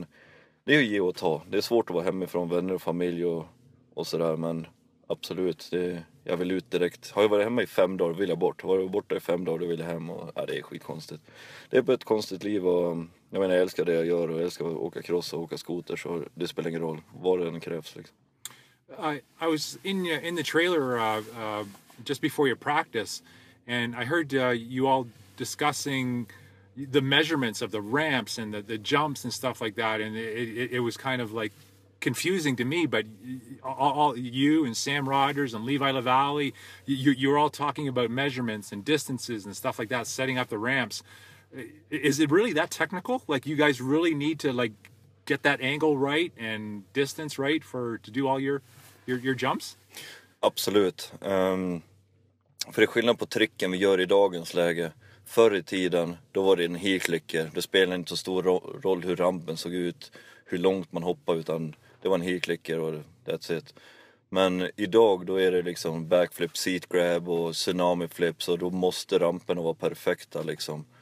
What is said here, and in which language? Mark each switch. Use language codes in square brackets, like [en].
[sv] Men det är ju ge och ta, det är svårt att vara hemifrån vänner och familj och sådär, men absolut, jag vill ut direkt. Har jag varit hemma i 5 dagar vill jag bort, har jag varit borta i 5 dagar då vill jag hem, och det är skitkonstigt. Det är bara ett konstigt liv, och jag menar, jag älskar det jag gör och jag älskar att åka cross och åka skoter, så det spelar ingen roll vad det än krävs liksom. [en] I was in the trailer just before your practice, and I heard you all discussing the measurements of the ramps and the jumps and stuff like that, and it was kind of like confusing to me, but all you and Sam Rogers and Levi Lavalley, you're all talking about measurements and distances and stuff like that, setting up the ramps. Is it really that technical? Like, you guys really need to like get that angle right and distance right to do all your jumps? [sv] Absolut. För det är skillnad på tricken vi gör i dagens läge. Förr i tiden, då var det en helklicker. Det spelade inte så stor roll hur rampen såg ut, hur långt man hoppade, utan det var en helklicker och [en] that's it. [sv] Men idag, då är det liksom backflip, seat grab och tsunami flips, och då måste rampen vara perfekta liksom.